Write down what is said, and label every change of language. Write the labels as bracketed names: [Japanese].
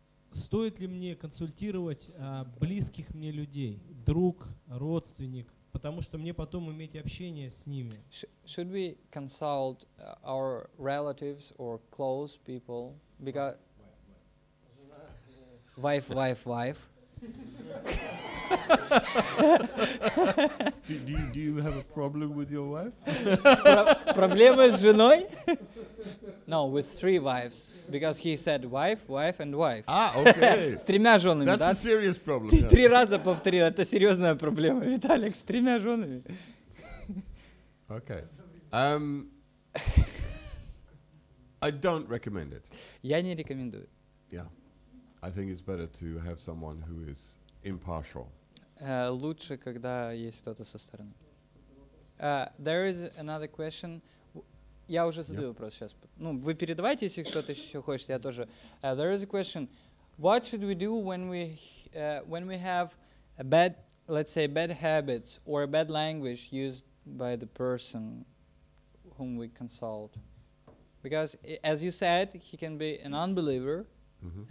[Russian] Стоит ли мне консультировать близких мне людей? Друг, родственник? Потому что мне потом иметь общение с ними. [English] Should we consult our relatives or close people? Because... Wife. do you have a problem with your wife? Проблема с женой? No, with three wives, because he said wife and wife. Ah, okay. [Russian] С тремя женами, [English] that's [Russian] да? [English] That's a serious problem. [Russian] Ты три раза повторил, это серьезная проблема, Виталик, с тремя женами. [English] Okay. I don't recommend it. [Russian] Я не рекомендую. [English] Yeah. I think it's better to have someone who is impartial. [Russian] Лучше, когда есть кто-то со стороны. [English] There is another question. [Russian] Я уже задаю вопрос сейчас. Ну, вы передавайте, если кто-то еще хочет, я тоже. [English] There is a question. What should we do when we have a bad, let's say, bad habits or a bad language used by the person whom we consult? Because, as you said, he can be an unbeliever, mm-hmm.